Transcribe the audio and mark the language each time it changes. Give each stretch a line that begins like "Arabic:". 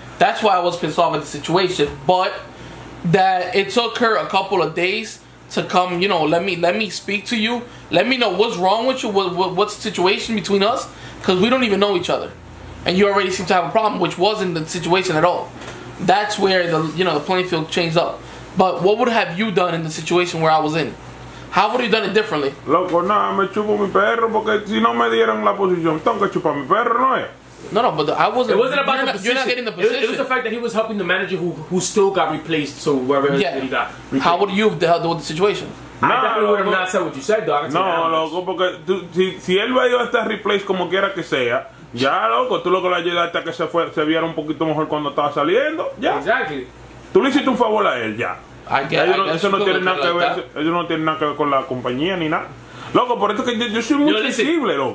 English: That's why I was pissed off at the situation. But that it took her a couple of days to come, you know, let me speak to you. Let me know what's wrong with you. What's the situation between us? Because we don't even know each other, and you already seem to have a problem, which wasn't the situation at all. That's where the playing field changed up. But what would have you done in the situation where I was in? How would you done it differently?
Spanish: Loco, nah, me chupo mi perro porque si no me dieron la posición, tengo que chupar mi perro, no es.
English: No, but I wasn't. It wasn't about the position. You're not getting the position. It was the fact that he was helping the manager who still got replaced. So wherever he got replaced. How would you have dealt with the situation? No, I definitely would have not said what you said, dog.
Spanish: No, loco, porque si él va a estar replaced como quiera que sea, ya loco, tú lo que le ayudaste a que se viera un poquito mejor cuando estaba saliendo, ya.
English: Exactly.
Spanish: Tú le hiciste un favor a él, ya. Eso no tiene nada que ver con la compañía ni nada. Loco, por eso que yo soy muy sensible, loco.